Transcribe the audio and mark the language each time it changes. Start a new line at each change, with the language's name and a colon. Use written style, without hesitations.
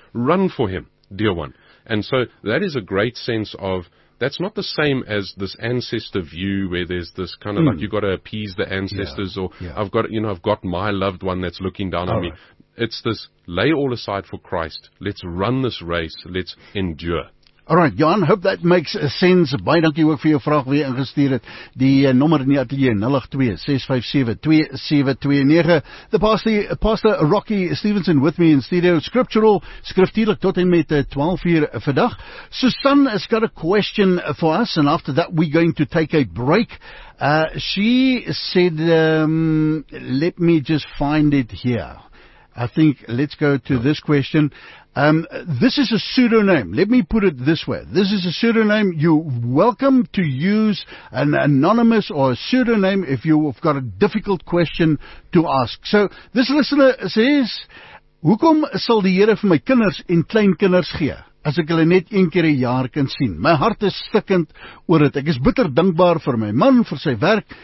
English: Run for him, dear one. And so that is a great sense of, that's not the same as this ancestor view where there's this kind of like, you've got to appease the ancestors, I've got my loved one that's looking down on me. It's this, lay all aside for Christ. Let's run this race. Let's endure. All right, Jan, hope that makes sense.
Afrikaans: Baie dankie ook vir jou vraag weer ingestuur het. Die nommer in die atelier, 082-657-2729.
English: The pastor Rocky Stevenson with me in studio.
Afrikaans: Scriptural, skriftierlik, tot en met 12:00 vandag.
English: Susan has got a question for us, and after that we're going to take a break. She said, let me just find it here. I think let's go to this question. This is a pseudonym. Let me put it this way. This is a pseudonym. You're welcome to use an anonymous or a pseudonym if you've got a difficult question to ask. So this listener says,
Afrikaans: hoekom sal die Here vir my kinders en kleinkinders gee as ek hulle net een keer 'n jaar kan sien? My hart is stikkend oor dit. Ek is bitter dankbaar vir my man, vir sy werk.